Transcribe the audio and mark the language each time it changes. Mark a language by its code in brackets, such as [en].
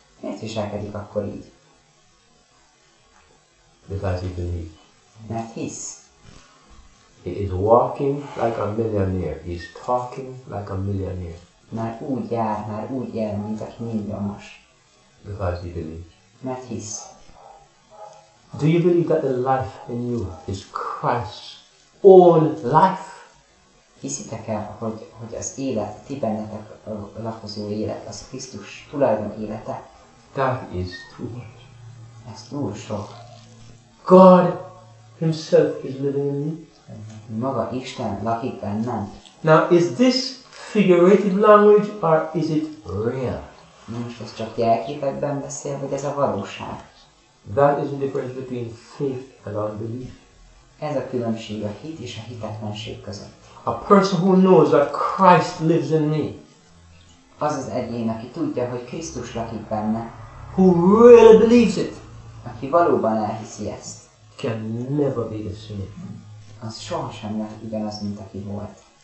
[hu] Miért viselkedik akkor így? [en] Because he believes. [hu] Mert hisz. [en] He is walking like a millionaire. He is talking like a millionaire. [hu] Már úgy jár, mint aki milliomos. [en] Because he believes. [hu] Mert hisz. [en] Do you believe that the life in you is Christ's own life? [hu] Hiszitek-e, hogy az élet, ti bennetek lakozó élet, az Krisztus tulajdon élete? [en] That is too much. [hu] Ez túl sok. [en] God himself is living in me. [hu] Maga Isten lakik bennem. [en] Now, is this figurative language or is it real? [hu] Most ez csak jelképekben beszél, vagy ez a valóság? [en] That is the difference between faith and unbelief. [hu] Ez a különbség a hit és a hitetlenség között. [en] A person who knows that Christ lives in me. [hu] Az az egyén, aki tudja, hogy Krisztus lakik benne. [en] Who really believes it. [hu] Aki valóban elhiszi ezt. [en] Can never be the same. [hu] Az sohasem lehet ugyanaz, mint aki volt.